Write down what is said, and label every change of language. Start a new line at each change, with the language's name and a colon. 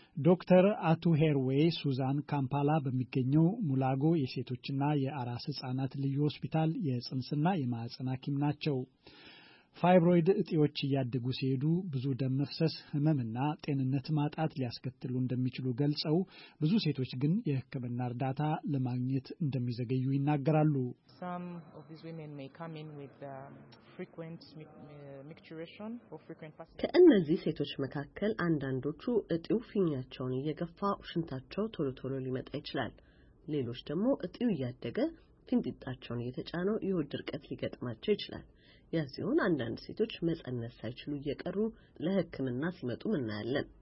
Amharic: ዶክተር አቱ ሄርዌ ሱዛን ካምፓላ በሚገኘው ሙላጎ የሴቶችና የአራስ ሕፃናት ልዩ ሆስፒታል የጽንስና የማህፀን ሐኪም ናቸው። ፋይብሮይድ እጢዎች ያደጉ ሲሄዱ ብዙ ደም መፍሰስ፣ ህመምና ጤንነት ማጣት ሊያስከትሉ እንደሚችሉ ገልጸው ብዙ ሴቶች ግን የህክምና እርዳታ ለማግኘት እንደሚዘገዩ ይናገራሉ።
English: Some of these women may come in with frequent micturition or frequent passing.
Amharic: ከእነዚህ ሴቶች መካከል አንዳንዶቹ እጢው ፊኛቸውን እየገፋ ሽንታቸው ቶሎ ሊመጣ ይችላል። ሌሎች ደግሞ እጢው ያደገ ፊንጢጣቸውን እየተጫነው የሆድ ድርቀት ሊገጥማቸው ይችላል። የዚሁን አንዳንድ ሴቶች መጸነስ ሳይችሉ እየቀሩ ለህክምና ሲመጡ እናያለን።